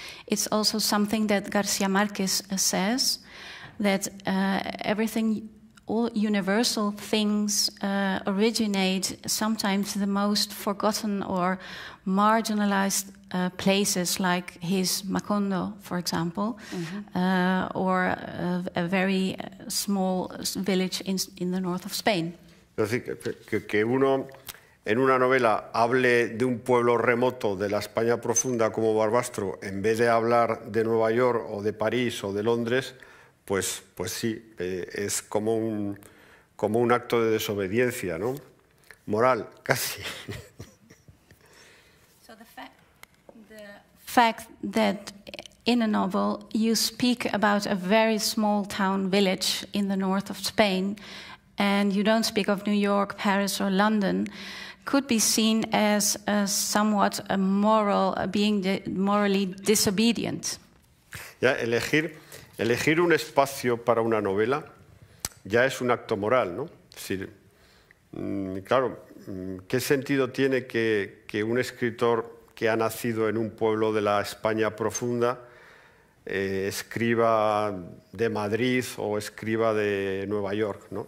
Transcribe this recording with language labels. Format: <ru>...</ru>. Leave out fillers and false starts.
<en>It's also something that García Márquez says, that everything, all universal things originate sometimes the most forgotten or marginalized places, like his Macondo, for example, mm-hmm. Or a very small village in the north of Spain.</en> <es>Es decir, que uno en una novela hable de un pueblo remoto de la España profunda como Barbastro, en vez de hablar de Nueva York o de París o de Londres, pues sí, es como un acto de desobediencia, ¿no? Moral, casi.</es> <en>Fact that in a novel, you speak about a very small town village in the north of Spain, and you don't speak of New York, Paris, or London, could be seen as a somewhat a moral, being morally disobedient.</en> <es>Ya, elegir un espacio para una novela ya es un acto moral, ¿no? Es decir, claro, ¿qué sentido tiene que un escritor que ha nacido en un pueblo de la España profunda escriba de Madrid o escriba de Nueva York, ¿no?</es>